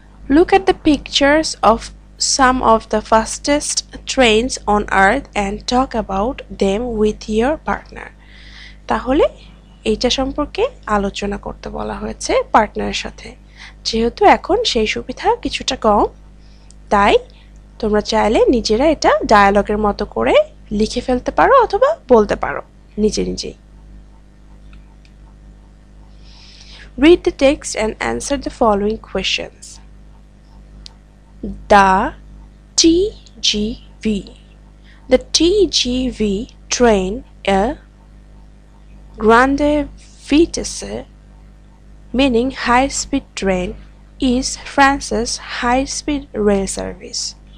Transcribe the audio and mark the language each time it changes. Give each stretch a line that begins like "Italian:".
English: Look at the pictures of some of the fastest trains on earth and talk about them with your partner.
Bangla: তাহলে এইটা সম্পর্কে আলোচনা করতে বলা হয়েছে পার্টনারের সাথে। যেহেতু এখন সেই সুবিধা কিছুটা কম, তাই তোমরা চাইলে নিজেরা এটা ডায়ালগের মতো করে লিখে ফেলতে পারো অথবা বলতে পারো নিজে নিজেই।
English: Read the text and answer the following questions. The TGV. The TGV train a grande vitesse, meaning high speed train, is France's high speed rail service.